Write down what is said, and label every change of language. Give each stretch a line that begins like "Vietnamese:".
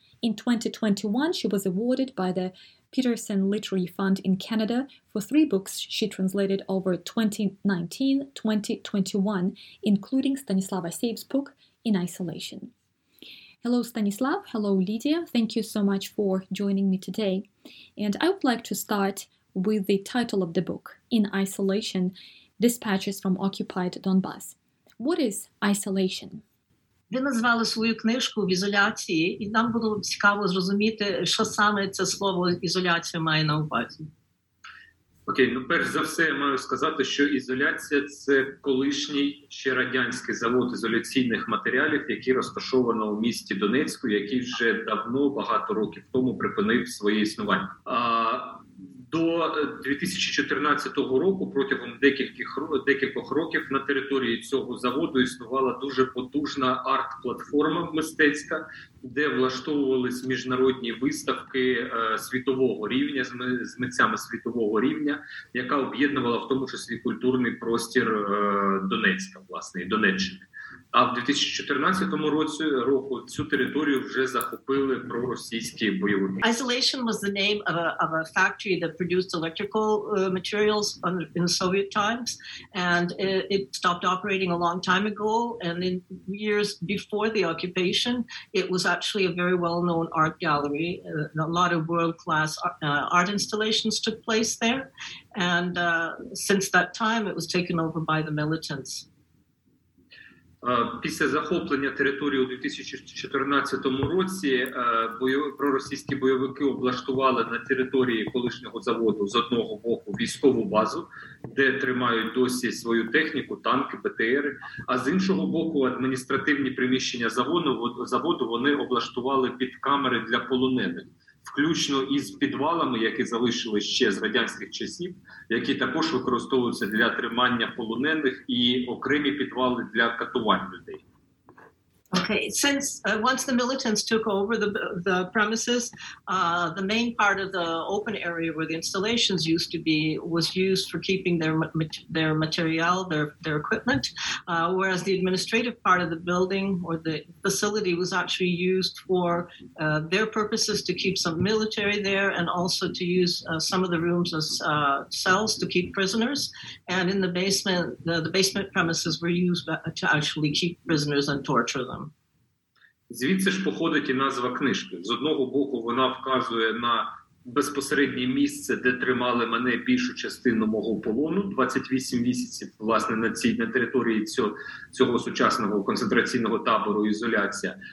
English: In 2021, she was awarded by the Peterson Literary Fund in Canada for three books she translated over 2019-2021, including Stanislav Asiev's book, In Isolation. Hello, Stanislav. Hello, Lydia. Thank you so much for joining me today. And I would like to start with the title of the book, In Isolation, Dispatches from Occupied Donbass. What is isolation?
Ukrainian: Ви назвали свою книжку в ізоляції, і нам було б цікаво зрозуміти, що саме це слово ізоляція має на увазі. Окей, ну перш за все я маю сказати, що ізоляція – це колишній ще радянський завод ізоляційних матеріалів, який розташовано у місті Донецьку, який вже давно, багато років тому, припинив своє існування. До 2014 року, протягом декількох років, на території цього заводу існувала дуже потужна арт-платформа мистецька, де влаштовувались міжнародні виставки світового рівня, з митцями світового рівня, яка об'єднувала в тому числі культурний простір Донецька, власне, і Донеччини. А в 2014 році цю територію вже захопили проросійські бойовики.
English: Isolation was the name of a factory that produced electrical materials in Soviet times, and it stopped operating a long time ago, and in years before the occupation, it was actually a very well-known art gallery, and a lot of world-class art installations took place there, and since that time it was taken over by the militants.
Ukrainian: Після захоплення території у 2014 році проросійські бойовики облаштували на території колишнього заводу з одного боку військову базу, де тримають досі свою техніку, танки, БТРи, а з іншого боку адміністративні приміщення заводу вони облаштували під камери для полонених, включно із підвалами, які залишили ще з радянських часів, які також використовуються для тримання полонених і окремі підвали для катувань людей.
English: Okay, since once the militants took over the premises, the main part of the open area where the installations used to be was used for keeping their material, their equipment, whereas the administrative part of the building or the facility was actually used for their purposes, to keep some military there and also to use some of the rooms as cells to keep prisoners. And in the basement, the basement premises were used to actually keep prisoners and torture them.
Ukrainian: Звідси ж походить і назва книжки. З одного боку, вона вказує на безпосереднє місце, де тримали мене більшу частину мого полону, 28 місяців, власне, на цій на території цього сучасного концентраційного табору ізоляція.